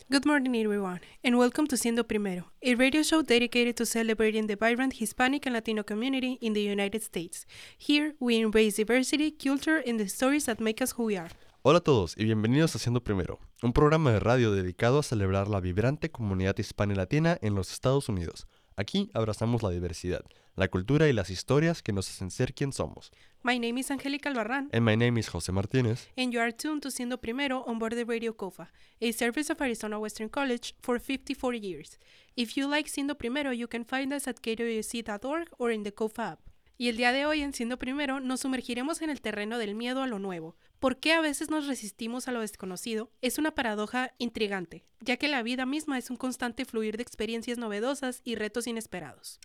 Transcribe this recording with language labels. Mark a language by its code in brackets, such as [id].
[en] Good morning, everyone, and welcome to Siendo Primero, a radio show dedicated to celebrating the vibrant Hispanic and Latino community in the United States. Here, we embrace diversity, culture, and the stories that make us who we are. [es] Hola a todos y bienvenidos a Siendo Primero, un programa de radio dedicado a celebrar la vibrante comunidad hispano-latina en los Estados Unidos. Aquí abrazamos la diversidad, la cultura y las historias que nos hacen ser quien somos. [en] My name is Angelica Albarrán. And my name is José Martínez. And you are tuned to Siendo Primero on board the Radio COFA, a service of Arizona Western College for 54 years. If you like Siendo Primero, you can find us at kwc.org or in the COFA app. [es] Y el día de hoy en Siendo Primero nos sumergiremos en el terreno del miedo a lo nuevo. ¿Por qué a veces nos resistimos a lo desconocido? Es una paradoja intrigante, ya que la vida misma es un constante fluir de experiencias novedosas y retos inesperados.